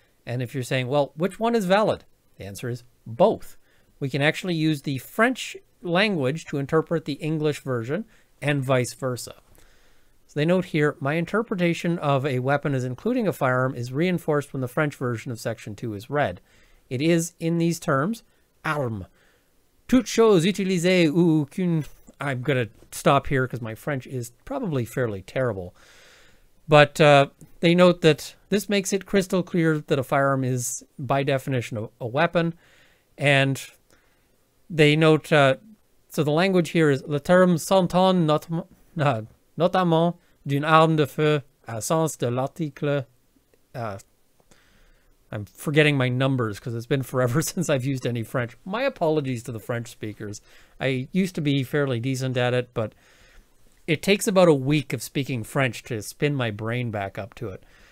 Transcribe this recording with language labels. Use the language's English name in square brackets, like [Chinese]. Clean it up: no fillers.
[English] And if you're saying, well, which one is valid? The answer is both. We can actually use the French language to interpret the English version and vice versa. So they note here, my interpretation of a weapon as including a firearm is reinforced when the French version of Section 2 is read. It is, in these terms, arme. [French] Toute chose utilisée ou qu'une... [English] I'm going to stop here because my French is probably fairly terrible. But they note that this makes it crystal clear that a firearm is, by definition, a weapon. And they note, so the language here is [French] le terme s'entend notamment d'une arme de feu à sens de l'article... [English] I'm forgetting my numbers because it's been forever since I've used any French. My apologies to the French speakers. I used to be fairly decent at it, but it takes about a week of speaking French to spin my brain back up to it.